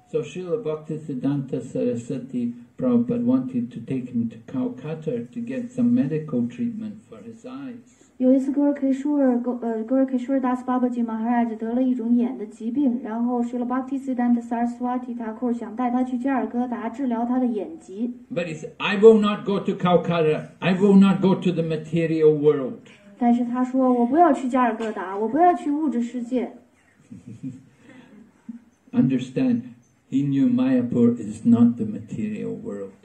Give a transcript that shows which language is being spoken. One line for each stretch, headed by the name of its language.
English: So Srila Bhaktisiddhanta Sarasati Prabhupada wanted to take him to Calcutta to get some medical treatment for his eyes.
Chinese: 有一次 Gorkishore Das Babaji Maharaj 得了一种眼的疾病然后 Srila Bhaktisiddhanta Saraswati Thakur 想带他去加尔各答治疗他的眼疾。
English: But he said, I will not go to Calcutta. I will not go to the material world.
Chinese: 但是他说我不要去加尔各答我不要去物质世界。
English: Understand. He knew Mayapur is not the material world.